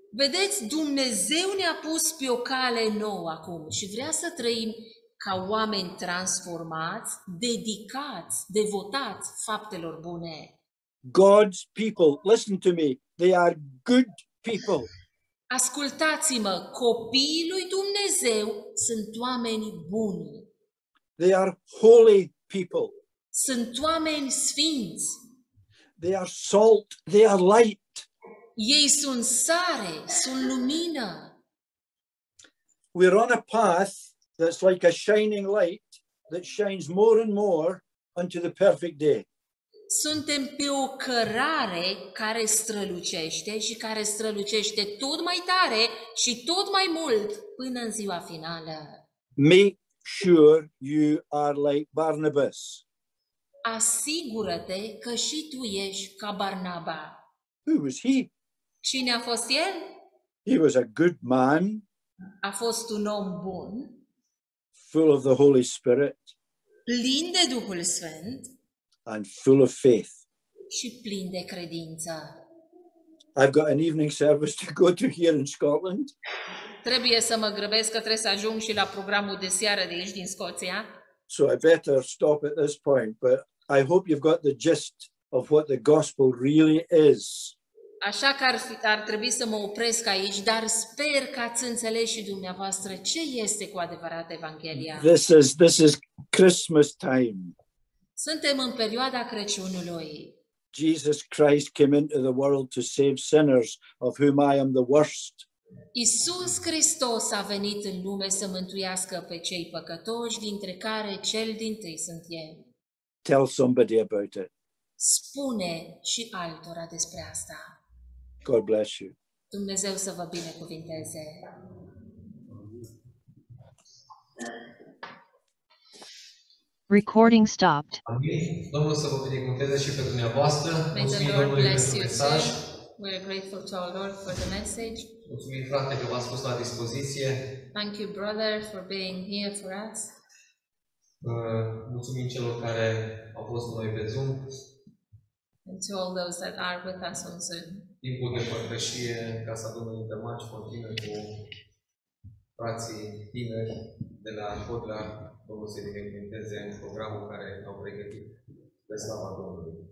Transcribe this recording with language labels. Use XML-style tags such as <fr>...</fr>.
<ro>Vedeți, Dumnezeu ne-a pus pe o cale nouă acum și vrea să trăim ca oameni transformați, dedicați, devotați faptelor bune.</ro> <en>God's people, listen to me, they are good people.</en> <ro>Ascultați-mă, copiii lui Dumnezeu sunt oameni buni.</ro> <en>They are holy people.</en> <ro>Sunt oameni sfinți.</ro> <en>They are salt, they are light.</en> <ro>Ei sunt sare, sunt lumină.</ro> <en>We're on a path that's like a shining light that shines more and more unto the perfect day.</en> <ro>Suntem pe o cărare care strălucește și care strălucește tot mai tare și tot mai mult până în ziua finală.</ro> <en>Make sure you are like Barnabas.</en> <ro>Asigură-te că și tu ești ca Barnaba.</ro> <en>Who was he?</en> <ro>Cine a fost el?</ro> <en>He was a good man.</en> <ro>A fost un om bun.</ro> <en>Full of the Holy Spirit.</en> <ro>Plin de Duhul Sfânt.</ro> <en>And full of faith.</en> <ro>Și plin de credință.</ro> <en>I've got an evening service to go to here in Scotland.</en> <ro>Trebuie să mă grăbesc că trebuie să ajung și la programul de seară de aici din Scoția.</ro> <en>So I better stop at this point, but I hope you've got the gist of what the gospel really is.</en> <ro>Așa că ar trebui să mă opresc aici, dar sper că ați înțeles și dumneavoastră ce este cu adevărat Evanghelia.</ro> <en>This is Christmas time.</en> <ro>Suntem în perioada Crăciunului.</ro> <en>Jesus Christ came into the world to save sinners, of whom I am the worst.</en> <ro>Iisus Hristos a venit în lume să mântuiască pe cei păcătoși, dintre care cel dintâi sunt eu.</ro> <en>Tell somebody about it.</en> <ro>Spune și altora despre asta.</ro> <en>God bless you.</en> <ro>Dumnezeu să vă binecuvinteze.</ro> <en>Recording stopped.</en> <ro>Amin. Domnul să vă binecuvinteze și pe dumneavoastră.</ro> <en>May the Lord bless you too. We are grateful to our Lord for the message.</en> <ro>Mulțumim, frate, că v-ați pus la dispoziție.</ro> <en>Thank you, brother, for being here for us.</en> <ro>Mulțumim celor care au fost noi pe Zoom.</ro> <en>And to all those that are with us on Zoom.</en> <ro>Timpul de părtășie în Casa Domnului de Maci continuă cu frații tineri de la Codra, Domnul să-i binecuvinteze în programul care au pregătit de slava Domnului.</ro>